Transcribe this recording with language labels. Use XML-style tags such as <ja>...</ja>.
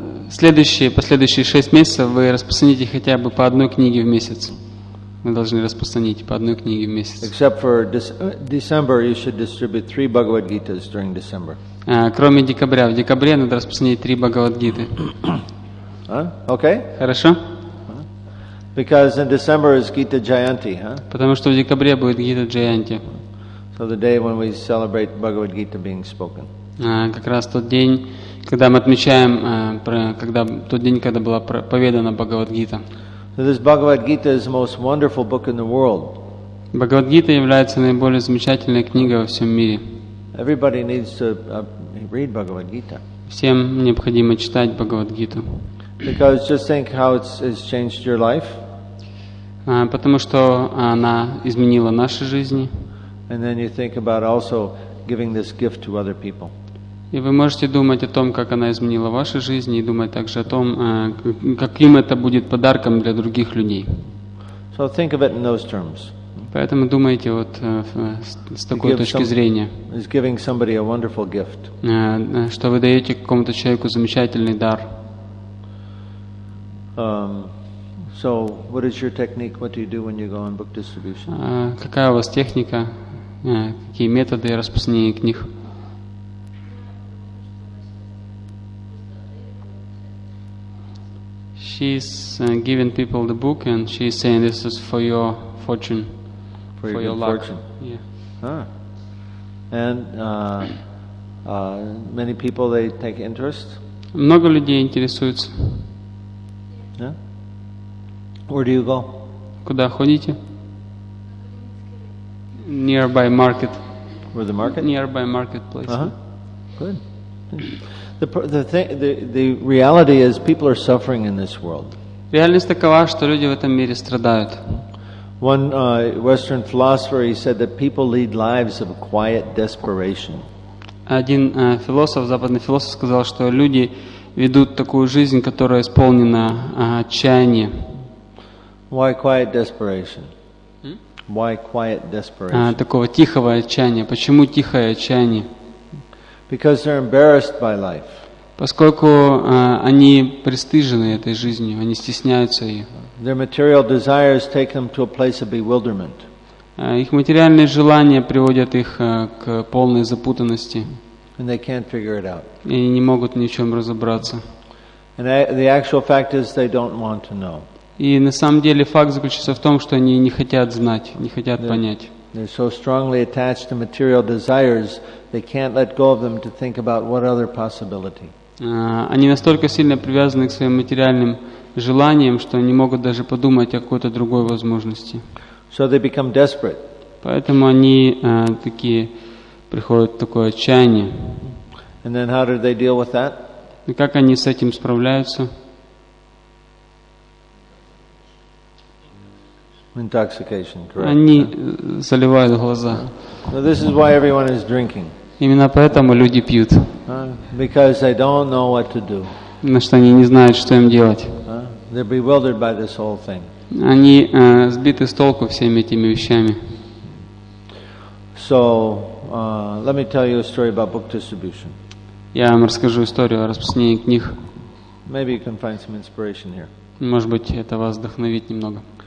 <ru>Следующие, последующие 6 месяцев вы распространите хотя бы по одной книге в месяц. Вы должны распространить по одной книге в месяц.</ru> <en>Except for December, you should distribute 3 Bhagavad Gitas during December.</en> <ru>Кроме декабря. В декабре надо распространить 3 Bhagavad Gita.</ru> <en>Okay.</en> <ru>Хорошо.</ru> <en>Because in December is Gita Jayanti, huh?</en> <ru>Потому что в декабре будет Гита Джаянти.</ru> <en>So the day when we celebrate Bhagavad Gita being spoken.</en> <ru>Как раз тот день, когда мы отмечаем, когда тот день, когда была поведана Бхагавад Гита.</ru> <en>This Bhagavad Gita is the most wonderful book in the world.</en> <ru>Бхагавад Гита является наиболее замечательной книгой во всем мире.</ru> <en>Everybody needs to read Bhagavad Gita.</en> <ru>Всем необходимо читать Бхагавад Гиту.</ru> <en>Because just think how it's changed your life.</en> <ru>Потому что она изменила наши жизни.</ru> <en>And then you think about also giving this gift to other people.</en> <ru>И вы можете думать о том, как она изменила ваши жизни, и думать также о том, каким это будет подарком для других людей.</ru> <en>So think of it in those terms.</en> <ru>Поэтому думайте вот с такой точки зрения.</ru> <en>Is giving somebody a wonderful gift.</en> <ru>Что вы даете какому-то человеку замечательный дар.</ru> <en>So what is your technique? What do you do when you go on book distribution?</en> <ru>Какая у вас техника? Какие методы распространения книг?</ru> <en>She's giving people the book and she's saying this is for your fortune, for your luck. Fortune. Yeah. Huh. And many people they take interest.</en> <ru>Много людей интересуются.</ru> <en>Yeah. Where do you go?</en> <ru>Куда ходите?</ru> <en>Nearby market. Where the market? Nearby marketplace. Good. The reality is people are suffering in this world.</en> <ru>Реальность такова, что люди в этом мире страдают.</ru> <en>One Western philosopher he said that people lead lives of quiet desperation.</en> <ru>Один философ, западный философ, сказал, что люди ведут такую жизнь, которая исполнена отчаяния.</ru> <en>Why quiet desperation? Why quiet desperation?</en> <ru>Такого тихого отчаяния. Почему тихое отчаяние?</ru> <en>Because they're embarrassed by life.</en> <ru>Поскольку они пристыжены этой жизнью, они стесняются ее.</ru> <en>Their material desires take them to a place of bewilderment.</en> <ru>Их материальные желания приводят их к полной запутанности.</ru> <en>And they can't figure it out.</en> <ru>И не могут ни в чем разобраться.</ru> <en>And the actual fact is they don't want to know.</en> <ru>И на самом деле факт заключается в том, что они не хотят знать, не хотят понять.</ru> <en>They're so strongly attached to material desires, they can't let go of them to think about what other possibility.</en> <ru>Они настолько сильно привязаны к своим материальным желаниям, что они не могут даже подумать о какой-то другой возможности.</ru> <en>So they become desperate.</en> <ru>Поэтому они такие приходят в такое отчаяние.</ru> <en>And then how do they deal with that?</en> <ru>И как они с этим справляются?</ru> <en>Intoxication, correct?</en> <ru>Они заливают глаза.</ru> <en>So this is why everyone is drinking.</en> <ru>Именно поэтому люди пьют.</ru> <en>Because they don't know what to do.</en> <ru>Потому что они не знают, что им делать.</ru> <en>They're bewildered by this whole thing.</en> <ru>Они сбиты с толку всеми этими вещами.</ru> <en>So, let me tell you a story about book distribution.</en> <ru>Я вам расскажу историю о распространении книг.</ru> <en>Maybe you can find some inspiration here.</en> <ru>Может быть, это вас вдохновит немного.</ru>